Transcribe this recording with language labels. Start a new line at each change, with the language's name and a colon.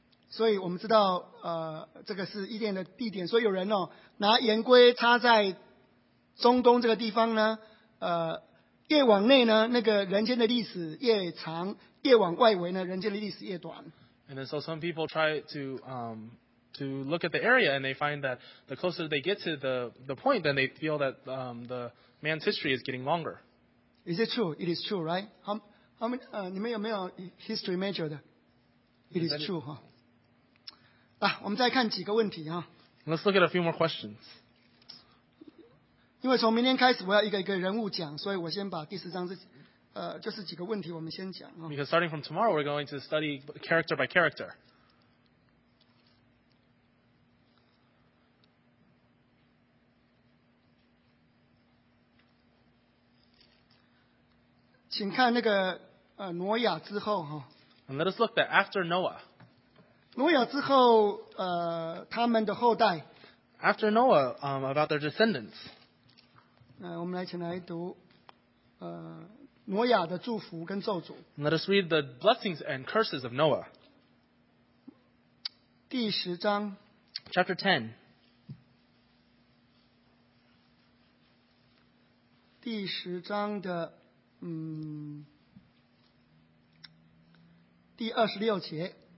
Chinese: 那所以我们知道 这个是伊甸的地点, 所以有人哦, 拿圆规插在中东这个地方呢, 越往内呢, 那个人间的历史越长, 越往外围呢人间的历史越短。
English: And then so some people try to look at the area, and they find that the closer they get to the point, then they feel that the man's history is getting longer. Is it true? It is true, right? How many
Chinese: 你们有没有
English: history major 的?It is true, huh?
Chinese: 我们再看几个问题,
English: Let's look at a few more questions.
Chinese: 因为从明天开始我要一个一个人物讲, 所以我先把第十章这 就是几个问题我们先讲,
English: because starting from tomorrow, we're going to study character by character.
Chinese: 请看那个, 挪亚之后,
English: and let us look that after Noah.
Chinese: 挪亚之后, 他们的后代,
English: after Noah, about their descendants.
Chinese: 我们来请来读, 挪亚的祝福跟咒诅。
English: Let us read the blessings and curses of Noah.
Chinese: 第十章,
English: chapter 10.
Chinese: 第十章的, 第26节,